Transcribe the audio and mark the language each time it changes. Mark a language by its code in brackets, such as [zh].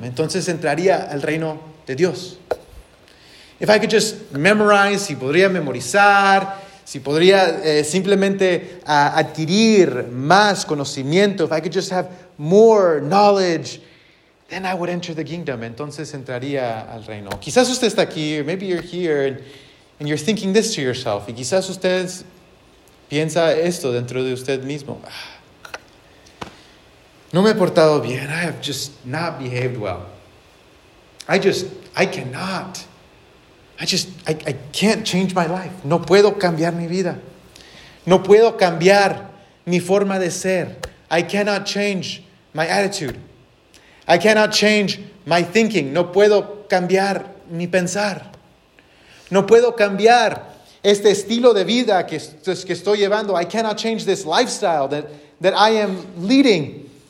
[es] Entonces entraría al reino de Dios. [en] If I could just memorize, [es] si podría memorizar, si podría simplemente adquirir más conocimiento, [en] if I could just have more knowledge, then I would enter the kingdom. [es] Entonces entraría al reino. Quizás usted está aquí, [en] maybe you're here, and you're thinking this to yourself. [es] Y quizás usted piensa esto dentro de usted mismo. No me he portado bien. [en] I have just not behaved well. I can't change my life. [es] No puedo cambiar mi vida. No puedo cambiar mi forma de ser. [en] I cannot change my attitude. I cannot change my thinking. [es] No puedo cambiar mi pensar. No puedo cambiar este estilo de vida que estoy llevando. [en] I cannot change this lifestyle that I am leading.